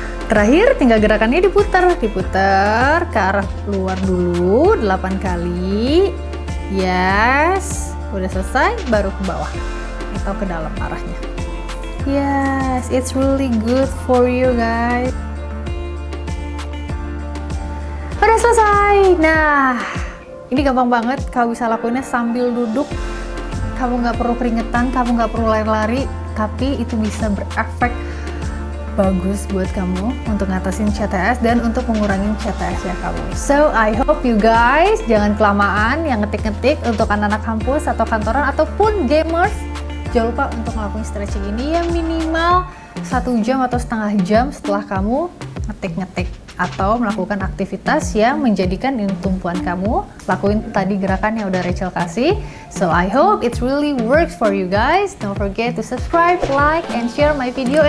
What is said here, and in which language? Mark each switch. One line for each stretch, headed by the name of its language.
Indonesian: Terakhir, tinggal gerakannya diputar. Diputar ke arah luar dulu, 8 kali. Yes, udah selesai, baru ke bawah atau ke dalam arahnya.
English: Yes, it's really good for you guys.
Indonesian: Udah selesai. Nah, ini gampang banget. Kamu bisa lakuinnya sambil duduk. Kamu nggak perlu keringetan, kamu nggak perlu lari-lari. Tapi itu bisa berefek bagus buat kamu untuk ngatasin CTS dan untuk mengurangi CTS ya kamu.
English: So, I hope you guys
Indonesian: jangan kelamaan yang ngetik-ngetik untuk anak-anak kampus atau kantoran ataupun gamers. Jangan lupa untuk melakukan stretching ini ya minimal 1 jam atau setengah jam setelah kamu ngetik-ngetik atau melakukan aktivitas yang menjadikan ini tumpuan kamu. Lakuin tadi gerakan yang udah Rachel kasih.
English: So, I hope it really works for you guys. Don't forget to subscribe, like, and share my video.